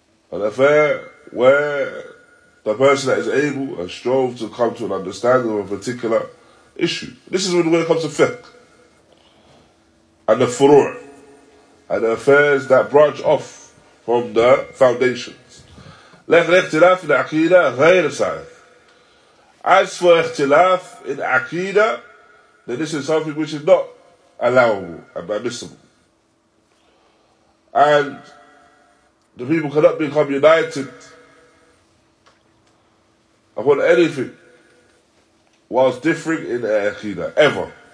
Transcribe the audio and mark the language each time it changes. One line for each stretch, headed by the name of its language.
English: An affair where the person that is able and strove to come to an understanding of a particular issue. This is when it comes to fiqh. And the furu', and the affairs that branch off from the foundations.
Arabic: لكن اختلاف في العقيدة غير سائغ.
English: As for اختلاف in عقيدة, then this is something which is not allowable and permissible. And the people cannot become united upon anything whilst differing in عقيدة, ever.